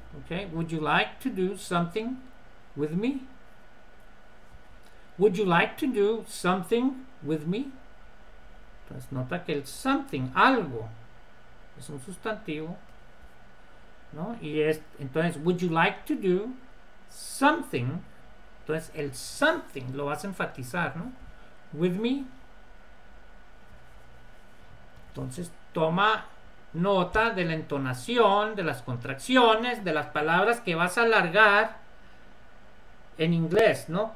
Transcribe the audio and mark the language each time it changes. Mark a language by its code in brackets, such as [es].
[en] Would you like to do something with me? Would you like to do something with me? [es] Entonces nota que el something, algo, es un sustantivo, ¿no? Y es, entonces, [en] would you like to do something? [es] Entonces el something lo vas a enfatizar, ¿no? [en] With me. [es] Entonces toma nota de la entonación, de las contracciones, de las palabras que vas a alargar en inglés, ¿no?